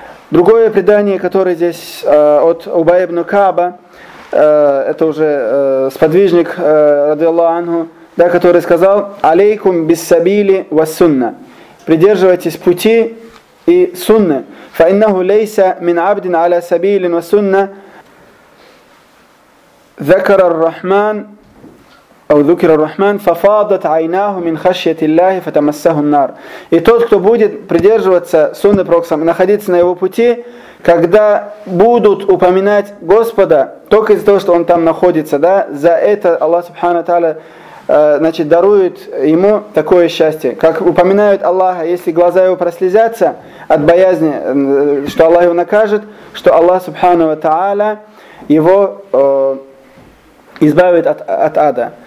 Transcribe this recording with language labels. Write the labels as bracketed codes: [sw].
[ru] Другое предание, которое здесь от Убай ибн Кааба, это уже сподвижник, радиаллаху анху, да, который сказал: [ar] «Алейкум биссабили вассунна». [ru] Придерживайтесь пути и сунны. [ar] «Фа иннаху лейса мин абдин аля сабилин вассунна закара ар-рахман أو ذكر الرحمن ففاضت عيناه من خشية الله فتمسه النار. [ru] И тот, кто будет придерживаться сунны Пророка, находиться на его пути, когда будут упоминать Господа, только из-за того, что он там находится, да, за это Аллах Субхана Тааля, значит, дарует ему такое счастье. Как упоминают Аллаха, если глаза его прослезятся от боязни, что Аллах его накажет, что Аллах Субхана Тааля его избавит от ада.